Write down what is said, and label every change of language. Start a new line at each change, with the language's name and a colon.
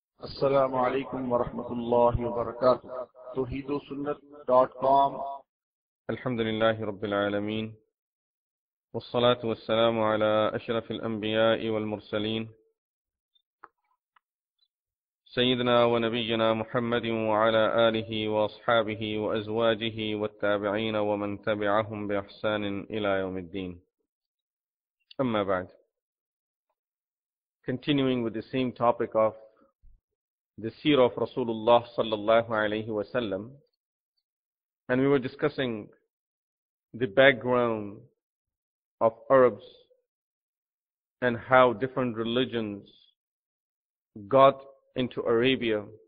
Arabic: السلام عليكم ورحمة الله وبركاته. توحيدوسنة.com. الحمد لله رب العالمين، والصلاة والسلام على أشرف الأنبياء والمرسلين، سيدنا ونبينا محمد وعلى آله وأصحابه وأزواجه والتابعين ومن تبعهم بإحسان إلى يوم الدين. أما بعد،
English: continuing with the same topic of the seerah of Rasulullah sallallahu alayhi wa sallam, and we were discussing the background of Arabs and how different religions got into Arabia.